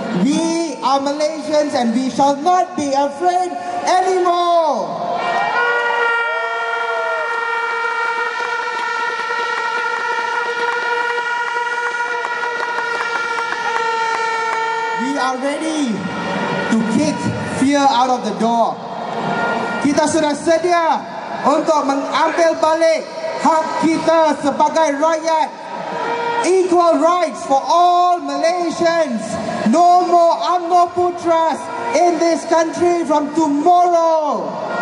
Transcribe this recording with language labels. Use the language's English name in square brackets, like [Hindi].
[English] We are Malaysians and we shall not be afraid anymore. We are ready to kick fear out of the door. [Malay] Kita sudah sedia untuk mengambil balik hak kita sebagai rakyat. [English] Equal rights for all Malaysians. No more UMNO putras in this country from tomorrow.